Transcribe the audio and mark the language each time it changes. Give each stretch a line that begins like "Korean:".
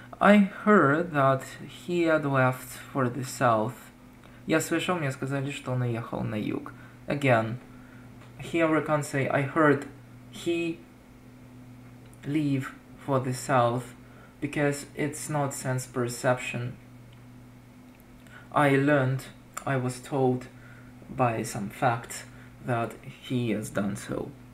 English: I heard that he had left for the south.
Russian: Я слышал, мне сказали, что он уехал на юг.
English: Again, here we can say I heard he leave for the south because it's not sense perception. I was told by some fact that he has done so.